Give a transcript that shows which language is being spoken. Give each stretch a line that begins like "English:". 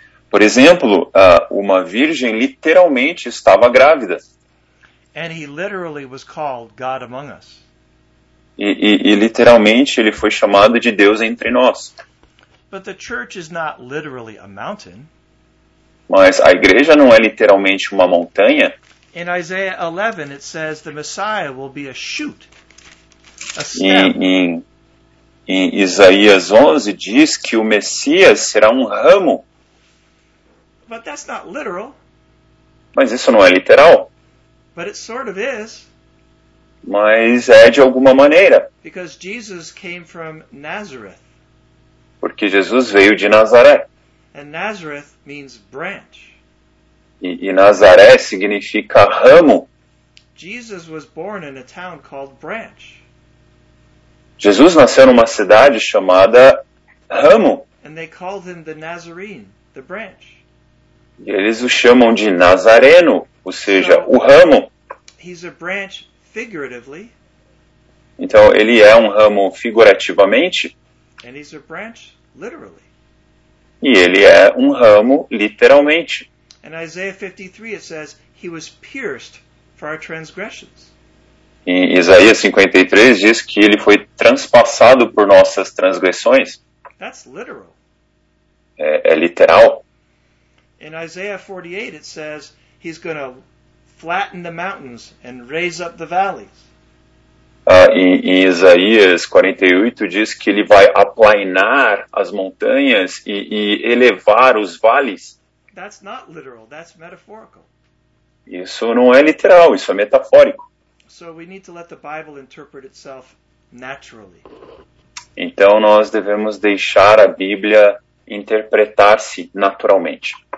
Portuguese: Por exemplo, uma virgem literalmente estava grávida.
English: And he literally was called God among us.
Portuguese: E literalmente ele foi chamado de Deus entre nós.
English: But the church is not literally a mountain.
Portuguese: Mas a igreja não é literalmente uma montanha.
English: In Isaiah 11 it says the Messiah will be a shoot. A stem.
Portuguese: Em Isaías 11 diz que o Messias será um ramo.
English: But that's not literal.
Portuguese: Mas isso não é literal.
English: But it sort of is.
Portuguese: Mas é de alguma maneira.
English: Because Jesus came from Nazareth.
Portuguese: Porque Jesus veio de Nazaré.
English: And Nazareth means branch.
Portuguese: E Nazaré significa ramo.
English: Jesus was born in a town called Branch.
Portuguese: Jesus nasceu numa cidade chamada Ramo.
English: And they called him the Nazarene, the branch.
Portuguese: E eles o chamam de Nazareno, ou seja, so, o ramo.
English: He's a branch figuratively.
Portuguese: Então, ele é um ramo figurativamente.
English: And he's a branch literally.
Portuguese: E ele é um ramo literalmente.
English: In Isaiah 53, it says, he was pierced for our transgressions.
Portuguese: Em Isaías 53 diz que ele foi transpassado por nossas transgressões.
English: That's literal.
Portuguese: É literal.
English: In Isaiah 48 it says he's going to flatten the mountains and raise up the valleys.
Portuguese: Em Isaías 48 diz que ele vai aplainar as montanhas e elevar os vales.
English: That's not literal, that's metaphorical.
Portuguese: Isso não é literal, isso é metafórico.
English: So we need to let the Bible interpret itself naturally.
Portuguese: Então nós devemos deixar a Bíblia interpretar-se naturalmente.